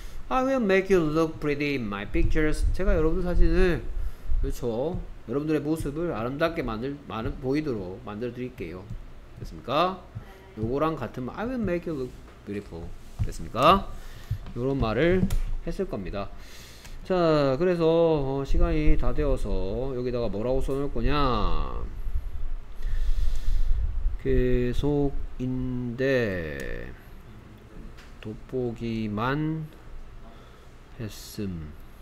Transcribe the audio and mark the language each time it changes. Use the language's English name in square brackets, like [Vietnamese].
[English] I will make you look pretty in my pictures. [Korean] 제가 여러분들 사진을 그렇죠. 여러분들의 모습을 아름답게 보이도록 만들어 드릴게요. 됐습니까? 요거랑 같은 말, [English] I will make you look beautiful. [Korean] 됐습니까? 요런 말을 했을 겁니다. 자, 그래서 시간이 다 되어서 여기다가 뭐라고 써놓을 거냐. 계속인데 돋보기만 했음.